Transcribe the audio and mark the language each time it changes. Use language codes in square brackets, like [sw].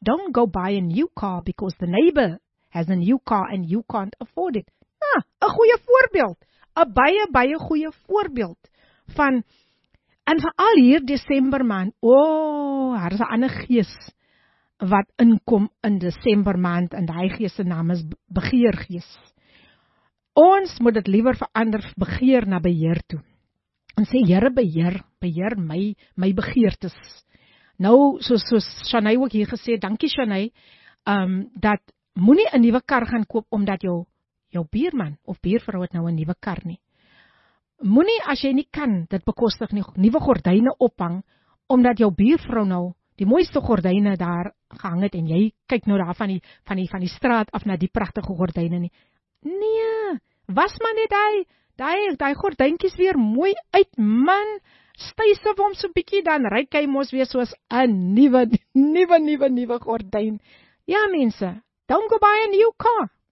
[en] Don't go buy a new car because the neighbor has a new car and you can't afford it. [af] Ah, 'n goeie voorbeeld. 'N baie goeie voorbeeld van en veral hier Desember maand, daar is 'n ander gees wat inkom in Desember maand en die gees se naam is begeergees. Ons moet dit liewer verander begeer na beheer toe. En sê Here beheer my begeertes. Nou soos Shanay ook hier gesê, dankie Shanay, dat moenie 'n nuwe kar gaan koop omdat jou buurman of buurvrou het nou 'n nuwe kar nie. Moenie as jy nie kan dit bekostig nie nuwe gordyne ophang omdat jou buurvrou nou die mooiste gordyne daar gehang het en jy kyk nou daar van die straat af na die pragtige gordyne nie. Nee, was maar net daai gordyntjies weer mooi uit man, stysif hom so bietjie dan ryk hy mos weer soos 'n nuwe gordyn. Ja mense, [en] don't go buy a new car.